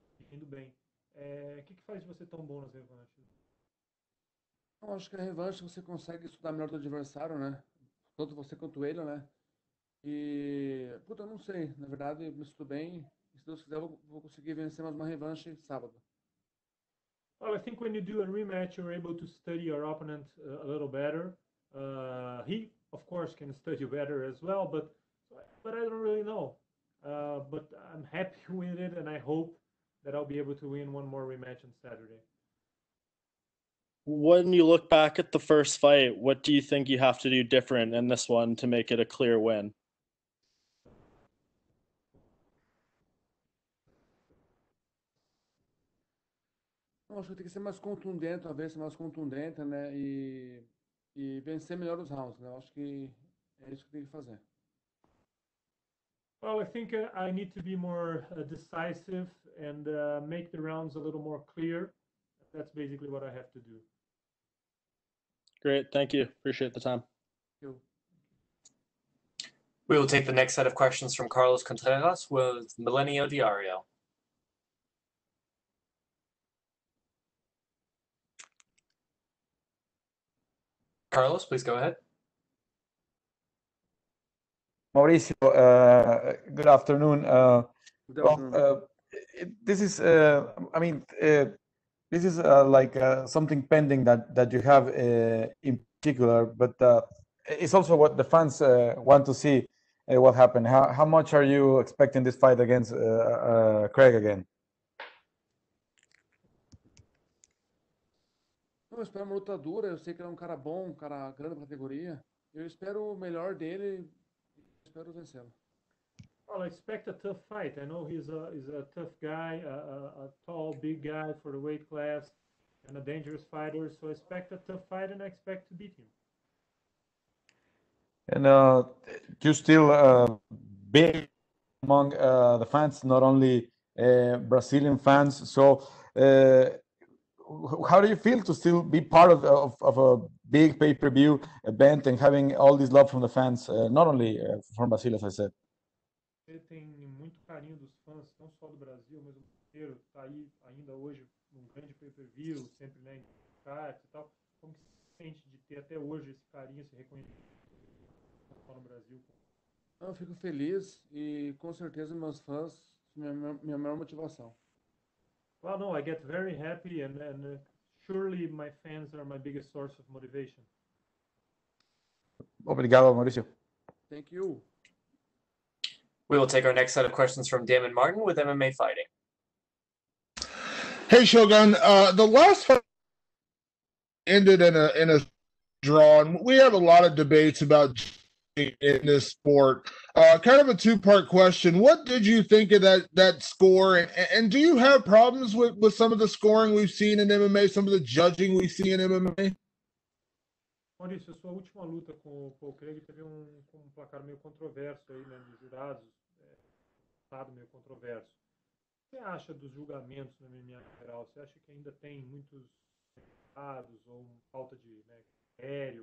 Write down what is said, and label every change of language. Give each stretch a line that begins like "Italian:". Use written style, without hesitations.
Portuguese: Indo bem. O que faz você tão bom nas revanches? Eu acho que a revanche você consegue estudar melhor do adversário, né? Tanto você quanto ele, né? E, puta, eu não sei. Na verdade, eu me sinto bem. Se Deus quiser, eu vou conseguir vencer mais uma revanche sábado.
English: Well, I think when you do a rematch, you're able to study your opponent a little better. He, of course, can study better as well, but I don't really know. But I'm happy with it, and I hope that I'll be able to win one more rematch on Saturday. When you look back at the first fight, what do you think you have to do different in this one to make it a clear win?
Portuguese: Acho que tem que ser mais contundente, talvez ser mais contundente, né? E vencer melhor os rounds, né? Acho que é isso que tem que fazer.
English: Well, I think I need to be more decisive and make the rounds a little more clear. That's basically what I have to do. Great, thank you. Appreciate the time. Cool. We will take the next set of questions from Carlos Contreras with Millennial Diario. Carlos, please go ahead. Mauricio, good afternoon. Good afternoon. This is, I mean, this is like something pending that you have in particular, but it's also what the fans want to see what happened. How much are you expecting this fight against Craig again?
Portuguese: Eu espero uma luta dura, eu sei que ele é um cara bom, um cara grande categoria. Eu espero o melhor dele, eu espero vencê-lo.
English: Well, I expect a tough fight. I know he's a tough guy, a tall, big guy for the weight class, and a dangerous fighter. So I expect a tough fight, and I expect to beat him. And you're still big among the fans, not only Brazilian fans. So how do you feel to still be part of a big pay-per-view event and having all this love from the fans, not only from Brazil, as I said?
Portuguese: Ele tem muito carinho dos fãs, não só do Brasil, mas do mundo inteiro. Está aí ainda hoje um grande pay-per-view, sempre né, em cartas e tal. Como que se sente de ter até hoje esse carinho, esse reconhecimento só no Brasil? Eu fico feliz e com certeza meus fãs são minha maior motivação.
English: Well, no, I get very happy and surely my fans are my biggest source of motivation.
Portuguese: Obrigado, Mauricio.
English: Thank you. We will take our next set of questions from Damon Martin with MMA Fighting. Hey, Shogun. The last fight ended in a draw, and we have a lot of debates about in this sport. Kind of a two-part question. What did you think of that score, and do you have problems with some of the scoring we've seen in MMA, some of the judging we see in MMA?
Portuguese: Mauricio, sua última luta com o Craig teve um placar meio controverso aí, né, nos jurados, estado meio controverso. O que você acha dos julgamentos no MMA geral? Você acha que ainda tem muitos errados ou falta de critério?